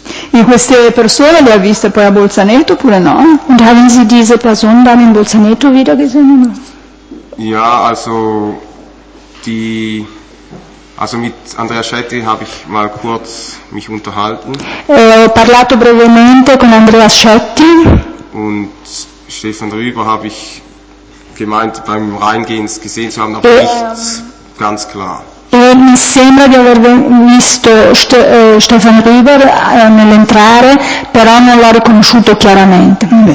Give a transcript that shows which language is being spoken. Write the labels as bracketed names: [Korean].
[Italian] E queste persone le ha viste poi a Bolzaneto oppure no? [German] Und haben Sie diese Person dann in Bolzaneto wieder gesehen? Ja, also die... Also mit Andrea Schetti habe ich mal kurz mich unterhalten. [Italian] Ho parlato brevemente con Andrea Schetti. [German] Und Stefan Rüber habe ich gemeint beim Reingehen gesehen zu haben, aber nicht ganz klar. [Italian] E mi sembra di aver visto Stefan Rüber nell'entrare, però non l'ho riconosciuto chiaramente.